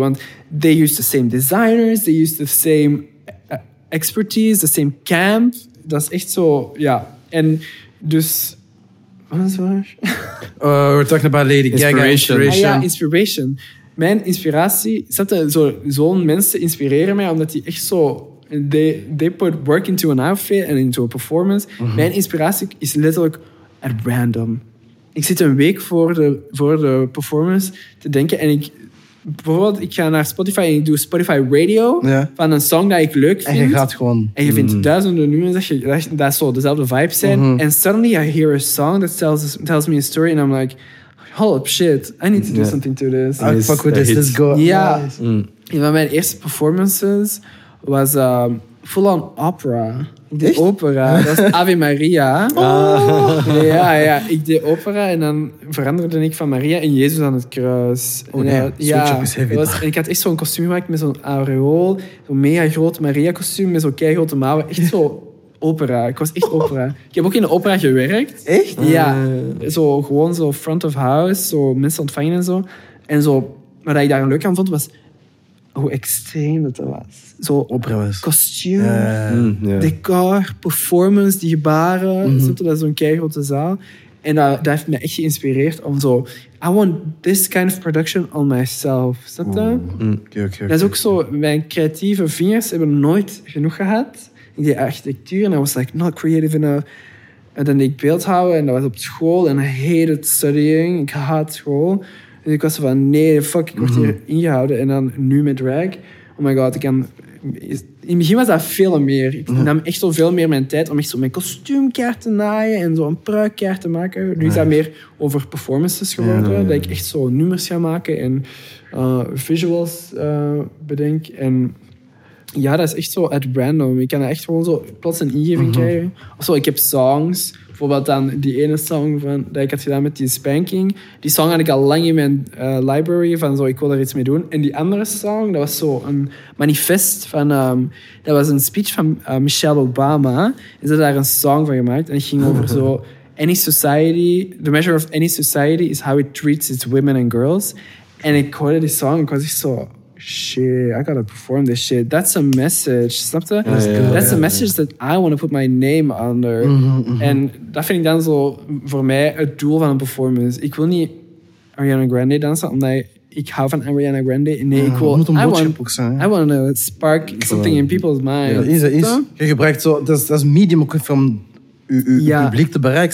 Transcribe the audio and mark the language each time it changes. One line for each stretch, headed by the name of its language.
English: Want they used the same designers, they used the same expertise, the same camp.
Dutch: Dat is echt zo, ja. En dus... Wat is waar?
English: We're talking about Lady Gaga. Inspiration.
Dutch: Ah, ja, inspiration. Mijn inspiratie, snap je, zo'n mensen inspireren mij omdat die echt zo.
English: They put work into an outfit and into a performance. Mm-hmm.
Dutch: Mijn inspiratie is letterlijk at random. Ik zit een week voor de performance te denken en ik. Bijvoorbeeld, ik ga naar Spotify en ik doe Spotify Radio van een song dat ik leuk vind. En je gaat gewoon. En je vindt duizenden nummers dat zo dezelfde vibe zijn. Mm-hmm.
English: And suddenly I hear a song that tells me a story and I'm like. Hold up, shit. I need to do something to this. Oh, fuck with this. Let's go. Yeah.
Dutch: Een van mijn eerste performances was full-on opera. Ik deed opera. Dat was Ave Maria. Oh. Ja. Ik deed opera en dan veranderde ik van Maria in Jezus aan het kruis. En ik had echt zo'n kostuum gemaakt met zo'n aureool. Zo'n mega groot Maria-kostuum met zo'n keigrote mouwen. Echt zo... opera. Ik was echt opera. Ik heb ook in de opera gewerkt. Echt? Ja. Zo gewoon zo front of house. Zo mensen ontvangen en zo. En zo, wat ik daar leuk aan vond, was hoe extreem dat was. Zo opera was. Kostuum. Decor. Performance. Die gebaren. Mm-hmm. Dat is zo'n keigrote zaal. En dat heeft me echt geïnspireerd om zo...
English: I want this kind of production on myself.
Dutch: Snap je? Dat is ook zo... Mijn creatieve vingers hebben nooit genoeg gehad... Ik deed architectuur en
English: I was like, not creative enough.
Dutch: En dan deed ik beeldhouwen en dat was op school. En
English: I hated studying.
Dutch: Ik haat school. En ik was van, nee, fuck, ik word hier ingehouden. En dan nu met drag. Oh my god, ik kan... In het begin was dat veel meer. Ik nam echt zo veel meer mijn tijd om echt zo mijn kostuumkaart te naaien. En zo een pruikkaart te maken. Nu is dat meer over performances geworden. Dat ik echt zo nummers ga maken en visuals bedenk. En... Ja, dat is echt zo at random. Ik kan echt gewoon zo plots een ingeving krijgen. Of zo, ik heb songs. Bijvoorbeeld dan die ene song van, dat ik had gedaan met die spanking. Die song had ik al lang in mijn library van zo, ik wil daar iets mee doen. En die andere song, dat was zo een manifest van... dat was een speech van Michelle Obama. En ze had daar een song van gemaakt. En het ging over zo... Any society...
English: The measure of any society is how it treats its women and girls.
Dutch: En ik hoorde die song en ik was echt zo...
English: Shit, I gotta perform this shit. That's a message, snap je? That's a message that I want to put my name under.
Dutch: En dat vind ik dan zo voor mij het doel van een performance. Ik wil niet Ariana Grande dansen, omdat ik hou van Ariana Grande. Nee, ik wil... I want to spark something in people's minds. Ja, is. Je gebruikt zo... Dat is medium ook van je publiek te bereiken.